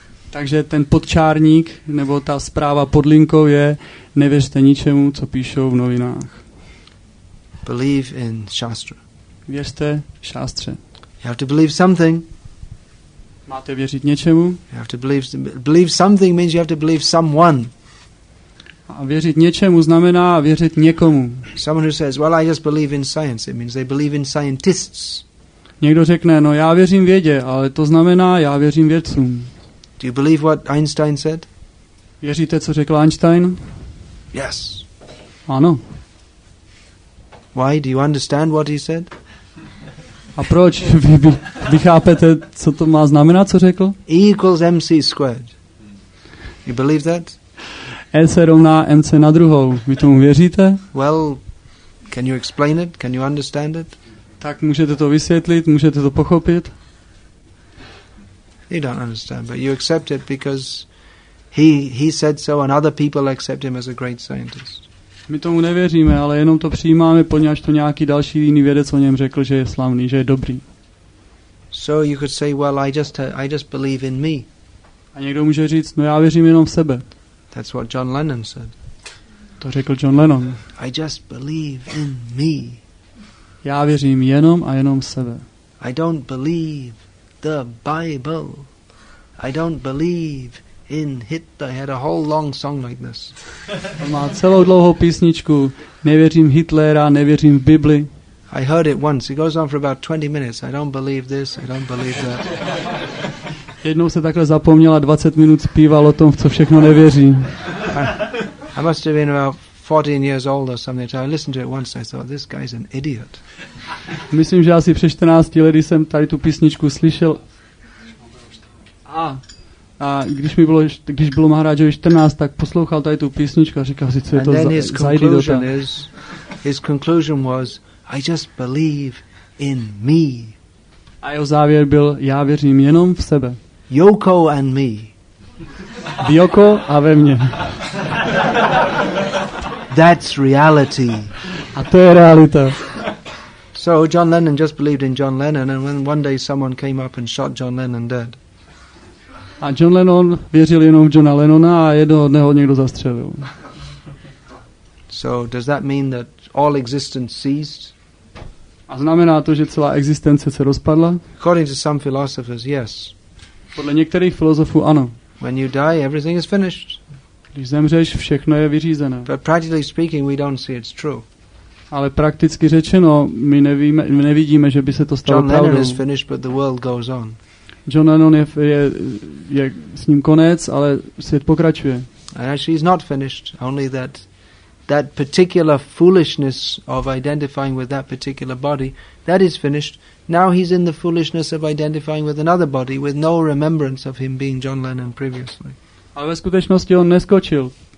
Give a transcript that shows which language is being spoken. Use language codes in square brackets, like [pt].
[cs] Takže ten podčárník nebo ta zpráva pod linkou je nevěřte ničemu, co píšou v novinách. [en] Believe in Shastra. [cs] Věřte Shastře. [en] You have to believe something. [cs] Máte věřit něčemu? [en] You have to believe something means you have to believe someone. [cs] A věřit něčemu znamená věřit někomu. [en] Someone who says, well, I just believe in science. It means they believe in scientists. [cs] Někdo řekne, no já věřím vědě, ale to znamená já věřím vědcům. [en] Do you believe what Einstein said? [cs] Věříte, co řekl Einstein? [en] Yes. [cs] Ano. [en] Why? Do you understand what he said? [cs] A proč? Vy chápete, co to má znamenat, co řekl? [en] E equals mc squared. You believe that? [cs] E se rovná mc na druhou. Vy tomu věříte? [en] Well, can you explain it? Can you understand it? [cs] Tak můžete to vysvětlit, můžete to pochopit. [en] You don't understand, but you accept it because he said so and other people accept him as a great scientist. [cs] My tomu nevěříme, ale jenom to přijímáme, poněvadž to nějaký další jiný vědec o něm řekl, že je slavný, že je dobrý. [en] So you could say, well, I just believe in me. [cs] A někdo může říct, no já věřím jenom v sebe. [en] That's what John Lennon said. [cs] To řekl John Lennon. [en] I just believe in me. [cs] Já věřím jenom a jenom sebe. [en] I don't believe the Bible. I don't believe in Hitler. He had a whole long song like this. [cs] On má celou dlouhou písničku. Nevěřím Hitlera, nevěřím v Bibli. [en] I heard it once. It goes on for about 20 minutes. I don't believe this, I don't believe that. [cs] Jednou se takhle zapomněl a 20 minut zpíval o tom, v co všechno nevěřím. [en] I must have been about 14 years old or something. So I listened to it once and I thought, this guy's an idiot. [cs] Myslím, že asi před 14 lety jsem tady tu písničku slyšel. A když mi bylo, když bylo Maharajovi 14, tak poslouchal tady tu písničku a říkal si, co je to za idiota. [en] His conclusion was, I just believe in me. [cs] A jeho závěr byl, já věřím jenom v sebe. [en] Yoko and me. [cs] Yoko a ve mně. [en] That's reality. [cs] A to je realita. [en] So John Lennon just believed in John Lennon, and when one day someone came up and shot John Lennon dead. [cs] A John Lennon věřil jenom v Johna Lennona a jednoho dne ho někdo zastřelil. [en] So does that mean that all existence ceased? [cs] A znamená to, že celá existence se rozpadla? [en] According to some philosophers, yes. [cs] Podle některých filozofů ano. [en] When you die, everything is finished. [cs] Když zemřeš, všechno je vyřízené. [en] But practically speaking, we don't see it's true. [cs] Ale prakticky řečeno, my nevíme, my nevidíme, že by se to stalo pravdou. [en] John Lennon is finished, but the world goes on. [cs] John Lennon je s ním konec, ale svět pokračuje. [en] And actually he's not finished, only that particular foolishness of identifying with that particular body, that is finished. Now he's in the foolishness of identifying with another body with no remembrance of him being John Lennon previously. [cs] Ale ve skutečnosti on neskončil.